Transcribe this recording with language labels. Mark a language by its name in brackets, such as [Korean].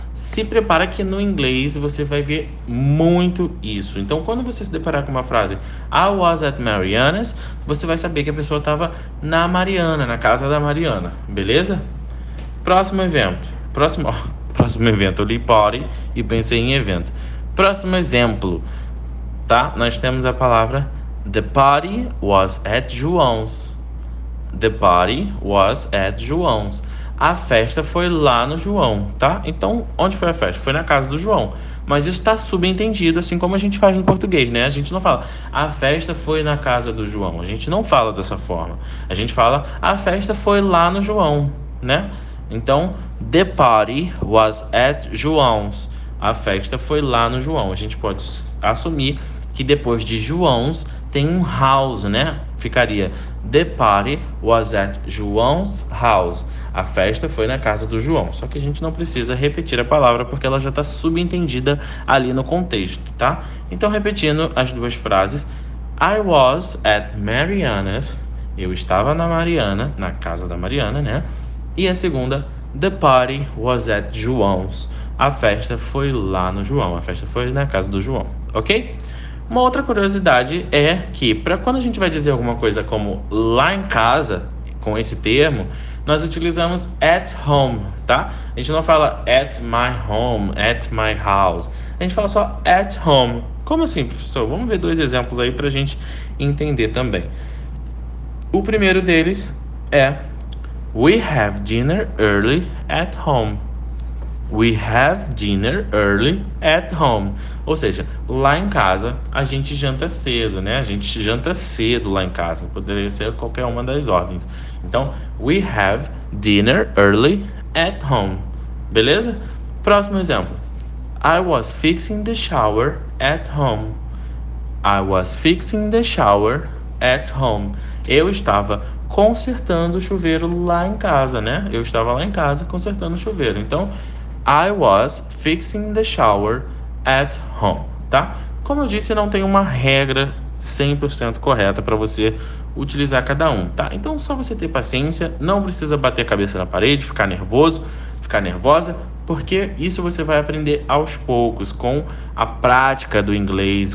[Portuguese] Se prepara que no inglês você vai ver muito isso. Então, quando você se deparar com uma frase [English] I was at Mariana's, [Portuguese] você vai saber que a pessoa estava na Mariana, na casa da Mariana, beleza? Próximo evento. Próximo evento. Eu li party e pensei em evento. Próximo exemplo, tá? Nós temos a palavra [English] The party was at João's. The party was at João's. [Portuguese] A festa foi lá no João, tá? Então, onde foi a festa? Foi na casa do João. Mas isso tá subentendido, assim como a gente faz no português, né? A gente não fala, a festa foi na casa do João. A gente não fala dessa forma. A gente fala, a festa foi lá no João, né? [English] Então, the party was at João's. [Portuguese] A festa foi lá no João. A gente pode assumir que depois de João's tem um house, né? [English] Ficaria, the party was at João's house. [Portuguese] A festa foi na casa do João. Só que a gente não precisa repetir a palavra porque ela já está subentendida ali no contexto, tá? Então, repetindo as duas frases. [English] I was at Mariana's. [Portuguese] Eu estava na Mariana, na casa da Mariana, né? E a segunda, [English] the party was at João's. [Portuguese] A festa foi lá no João, a festa foi na casa do João, ok? Uma outra curiosidade é que, para quando a gente vai dizer alguma coisa como lá em casa, com esse termo, nós utilizamos at home, tá? A gente não fala [English] at my home, at my house. [Portuguese] A gente fala só at home. Como assim, professor? Vamos ver dois exemplos aí para a gente entender também. O primeiro deles é: [English] We have dinner early at home. We have dinner early at home. [Portuguese] Ou seja, lá em casa a gente janta cedo, né? A gente janta cedo lá em casa. Poderia ser qualquer uma das ordens. Então, [English] we have dinner early at home. [Portuguese] Beleza? Próximo exemplo. [English] I was fixing the shower at home. I was fixing the shower at home. [Portuguese] Eu estava consertando o chuveiro lá em casa, né? Eu estava lá em casa consertando o chuveiro. [English] Então, I was fixing the shower at home, tá? [Portuguese] Como eu disse, não tem uma regra 100% correta para você utilizar cada um, tá? Então, só você ter paciência, não precisa bater a cabeça na parede, ficar nervoso, ficar nervosa, porque isso você vai aprender aos poucos, com a prática do inglês.